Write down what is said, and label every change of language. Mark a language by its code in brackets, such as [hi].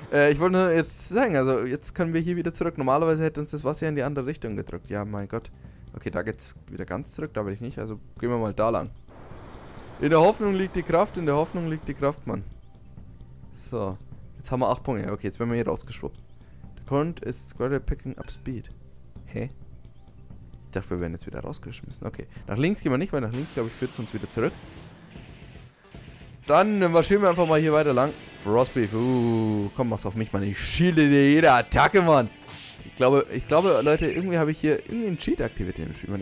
[de] Ich wollte nur jetzt sagen, also jetzt können wir hier wieder zurück. Normalerweise hätte uns das Wasser in die andere Richtung gedrückt. Ja, mein Gott. Okay, da geht's wieder ganz zurück, da will ich nicht. Also gehen wir mal da lang. In der Hoffnung liegt die Kraft, in der Hoffnung liegt die Kraft, Mann. So, jetzt haben wir 8 Punkte. Okay, jetzt werden wir hier rausgeschwuppt. [en] The current is gradually picking up speed. Hä? [de] Ich dachte, wir werden jetzt wieder rausgeschmissen. Okay, nach links gehen wir nicht, weil nach links, glaube ich, führt es uns wieder zurück. Dann marschieren wir einfach mal hier weiter lang. Frostbeef, komm, mach's auf mich, Mann. Ich schiele dir jede Attacke, Mann. Ich glaube, Leute, irgendwie habe ich hier irgendwie einen Cheat aktiviert im Spiel, Mann.